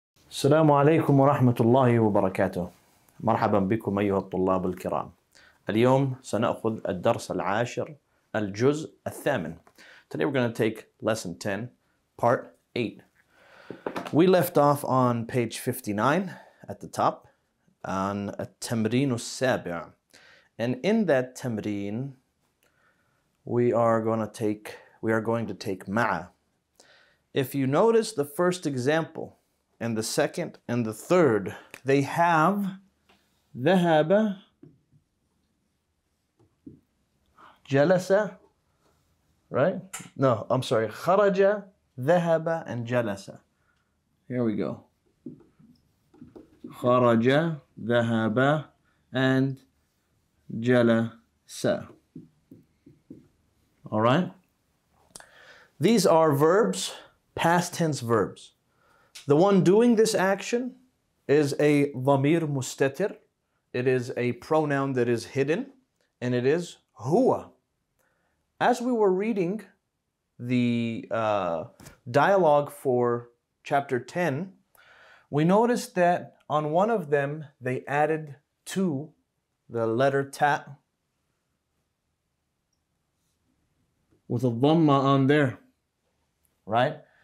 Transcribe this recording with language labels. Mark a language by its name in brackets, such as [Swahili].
[Arabic] السلام عليكم ورحمة الله وبركاته. مرحبا بكم أيها الطلاب الكرام. اليوم سنأخذ الدرس العاشر الجزء الثامن. [English] Today we're going to take lesson 10, part 8. We left off on page 59 at the top on [Arabic] التمرين السابع. [English] And in that تمرين we are going to take مع. If you notice the first example and the second and the third, they have ذهب جلس, right? No, I'm sorry. [Arabic] خرج ذهب and جلس. [English] Here we go. [Arabic] خرج ذهب and جلس. [English] All right. These are verbs, past tense verbs. The one doing this action is a ضمير مستتر. It is a pronoun that is hidden, and it is هو. As we were reading the dialogue for chapter 10, we noticed that on one of them, they added to the letter ta with a ضمة on there, right?